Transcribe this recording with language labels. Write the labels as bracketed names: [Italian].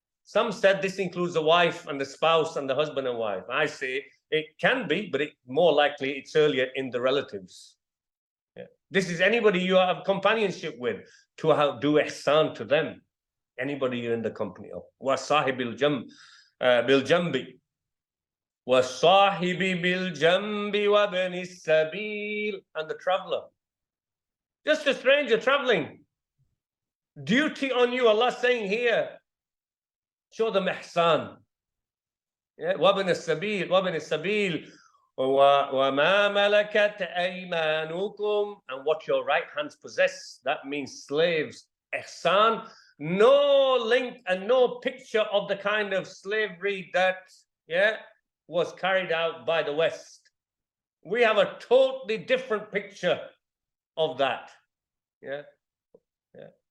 [English] Some said this includes the wife and the spouse and the husband and wife. I say it can be, but it, more likely it's earlier in the relatives. Yeah. This is anybody you have companionship with to have, do ihsan to them. Anybody you're in the company of. [Arabic] وَالصَّاحِبِ بِالْجَنْبِ. وَالصَّاحِبِ بِالْجَنْبِ وَبَنِ السَّبِيلِ, [English] and the traveler. Just a stranger traveling. Duty on you, Allah saying here, show them ihsan. [Arabic] وَبَنِ السَّبِيلِ, وَبَنِ السَّبِيلِ, وَمَا مَلَكَتْ أَيْمَانُكُمْ, [English] and what your right hands possess. That means slaves. Ihsan, no link and no picture of the kind of slavery that, yeah, was carried out by the West. We have a totally different picture of that. Yeah. Yeah.